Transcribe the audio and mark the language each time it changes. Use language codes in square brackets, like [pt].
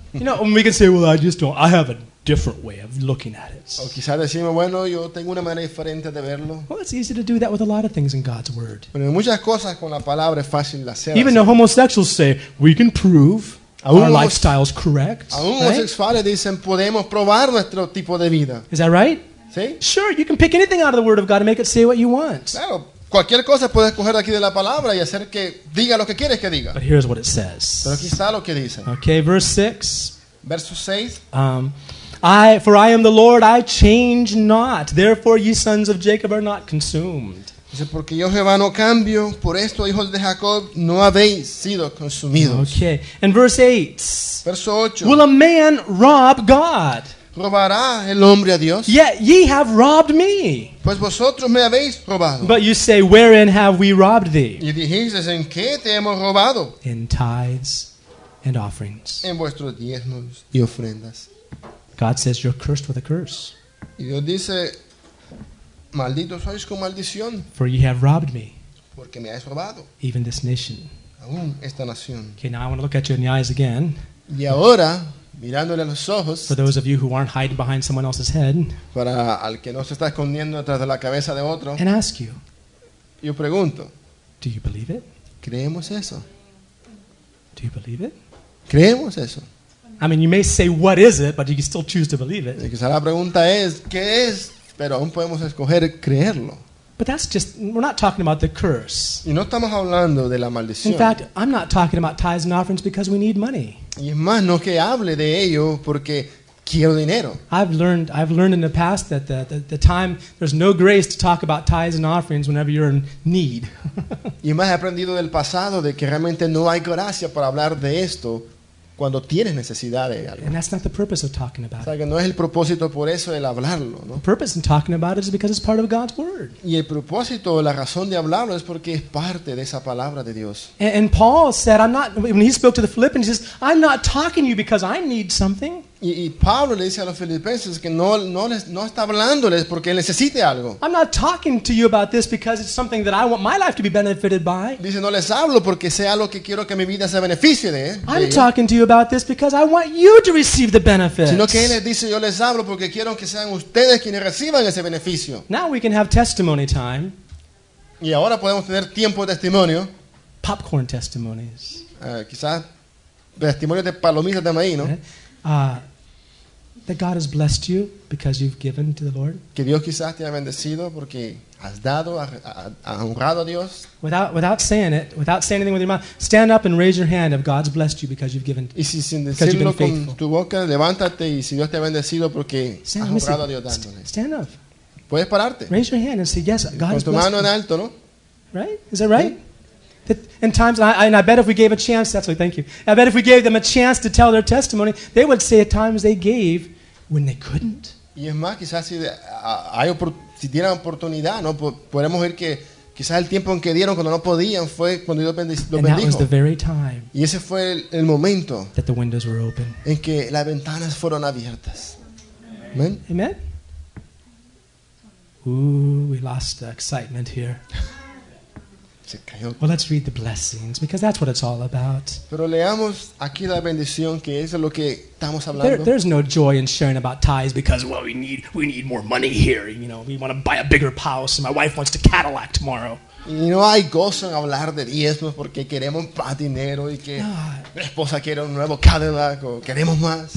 [en] You know, we can say, well, I just don't. I haven't. Different way of looking at it. [es] O quizás decimos, bueno, yo tengo una manera diferente de verlo. [en] Well, it's easy to do that with a lot of things in God's word. [es] Bueno, muchas cosas con la palabra es fácil hacer. [en] Even the homosexuals say we can prove our lifestyle is correct. [es] Aún los homosexuales dicen podemos probar nuestro tipo de vida. [en] Is that right? [es] Sí. [en] Sure, you can pick anything out of the word of God and make it say what you want. [es] Claro, cualquier cosa puedes escoger aquí de la palabra y hacer que diga lo que quieres que diga. [en] But here's what it says. [es] Pero aquí está lo que dice. [en] Okay, verse 6. [es] Verso 6. [en] For I am the Lord, I change not. Therefore, ye sons of Jacob are not consumed. [es] Dice, porque yo Jehová no cambio, por esto, hijos de Jacob, no habéis sido consumidos. [en] Okay, and verse 8. [es] Verso 8. [en] Will a man rob God? [es] ¿Robará el hombre a Dios? [en] Yet ye have robbed me. [es] Pues vosotros me habéis robado. [en] But you say, wherein have we robbed thee? [es] Y dijisteis, ¿en qué te hemos robado? [en] In tithes and offerings. [es] En vuestros diezmos y ofrendas. [en] God says you're cursed with a curse. [es] Y Dios dice, maldito sois con maldición. [en] For ye have robbed me. [es] Porque me has robado. [en] Even this nation. [es] Aún esta nación. [en] Okay, now I want to look at you in the eyes again. [es] Y ahora, mirándole a los ojos. [en] For those of you who aren't hiding behind someone else's head. [es] Para al que no se está escondiendo detrás de la cabeza de otro. [en] And ask you. [es] Yo pregunto. [en] Do you believe it? [es] ¿Creemos eso? [en] Do you believe it? [es] ¿Creemos eso? [en] I mean, you may say, what is it? But you can still choose to believe it. [es] Quizá la pregunta es, ¿qué es? Pero aún podemos escoger creerlo. [en] But that's just, we're not talking about the curse. [es] Y no estamos hablando de la maldición. [en] In fact, I'm not talking about tithes and offerings because we need money. [es] Y es más, no que hable de ello porque quiero dinero. [en] I've learned in the past that the time, there's no grace to talk about tithes and offerings whenever you're in need. [es] Y más, he aprendido del pasado de que realmente no hay gracia para hablar de esto. Cuando tienes necesidad de algo. [en] And that's not the purpose of talking about it. [es] O sea, que no es el propósito por eso el hablarlo, ¿no? [en] The purpose in talking about it is because it's part of God's word. [es] Y el propósito, la razón de hablarlo es porque es parte de esa palabra de Dios. [en] And Paul said, I'm not, when he spoke to the Philippians, he says, I'm not talking to you because I need something. [es] Y Pablo le dice a los filipenses que no está hablándoles porque él necesita algo. [en] I'm not talking to you about this because it's something that I want my life to be benefited by. [es] Dice, no les hablo porque sea lo que quiero que mi vida se beneficie de. [en] I'm talking to you about this because I want you to receive the benefits. [es] Sino que él les dice, yo les hablo porque quiero que sean ustedes quienes reciban ese beneficio. [en] Now we can have testimony time. [es] Y ahora podemos tener tiempo de testimonio. [en] Popcorn testimonies. [es] Quizás testimonios de palomitas de maíz, ¿no? [en] That God has blessed you because you've given to the Lord. [es] Que Dios quizás te ha bendecido porque has dado, ha honrado a Dios. [en] Without saying it, without saying anything with your mouth, stand up and raise your hand if God's blessed you because you've given. [es] Y si sin decirlo con tu boca, levántate y si Dios te ha bendecido porque has honrado a Dios dándole. [en] Stand up. [es] Puedes pararte. [en] Raise your hand and say yes. God has [es] blessed. Con tu mano en alto, ¿no? [en] Right? Is that right? ¿Sí? In times, and I bet if we gave a chance, that's what, thank you. I bet if we gave them a chance to tell their testimony, they would say at times they gave when they couldn't. [es] Y es más, quizás si dieran oportunidad, ¿no? Podemos ver que quizás el tiempo en que dieron cuando no podían fue cuando Dios bendijo. [en] And that was the very time. [es] Y ese fue el momento. [en] That the windows were open. [es] En que las ventanas fueron abiertas. [en] Amen. Amen. Ooh, we lost the excitement here. Well, let's read the blessings because that's what it's all about. [es] Pero leamos aquí la bendición que es lo que estamos hablando. [en] There's no joy in sharing about tithes because, well, we need more money here. You know, we want to buy a bigger house and my wife wants to Cadillac tomorrow. [es] Y no hay gozo en hablar de diezmos porque queremos más dinero y que mi esposa quiere un nuevo Cadillac o queremos más.